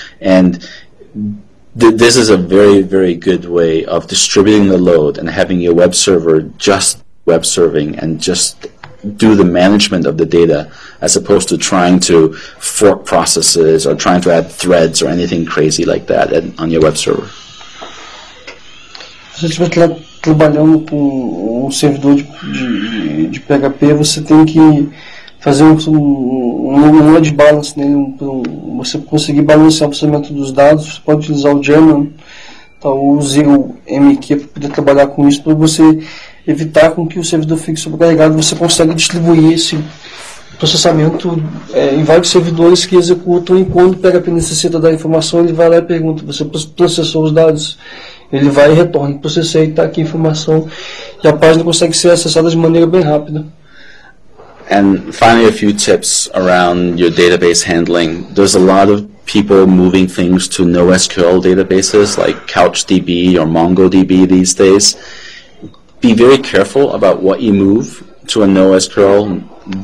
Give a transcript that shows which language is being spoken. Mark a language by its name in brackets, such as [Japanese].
[English] And this is a very, very good way of distributing the load and having your web server just web serving and just do the management of the data as opposed to trying to fork processes or trying to add threads or anything crazy like that on your web server. [Portuguese] Se você estiver trabalhando com um servidor de PHP, você tem que fazer um load balance nele, você conseguir balancear o processamento dos dados, você pode utilizar o German, tá, ou o MQ para poder trabalhar com isso, para você evitar com que o servidor fique sobrecarregado, você consegue distribuir esse processamento em vários servidores que executam, e quando o PHP necessita da informação, ele vai lá e pergunta, você processou os dados? Ele vai e retorna, processa e tá aqui a informação e a página consegue ser acessada de maneira bem rápida. [English] And finally, a few tips around your database handling. There's a lot of people moving things to NoSQL databases like CouchDB or MongoDB these days. Be very careful about what you move to a NoSQL.